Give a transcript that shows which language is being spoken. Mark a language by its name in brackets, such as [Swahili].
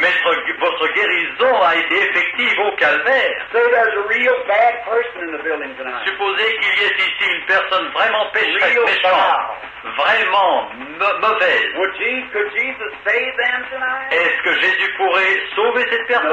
[French] Mais votre guérison a été effective au calvaire. [English] So there's a real bad person in the building tonight. [French] Supposez qu'il y ait ici une personne vraiment méchante. Vraiment mauvaise. [English] Would could Jesus save them tonight? [French] Est-ce que Jésus pourrait sauver cette personne